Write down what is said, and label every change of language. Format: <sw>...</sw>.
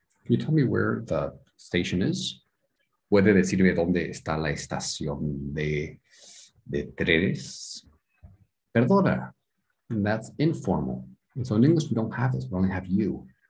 <en>Can you tell me where the station is?</en> <es>¿Puede decirme dónde está la estación de trenes?</es> <en>Perdona. And that's informal. And so in English, we don't have this. We only have you.</en>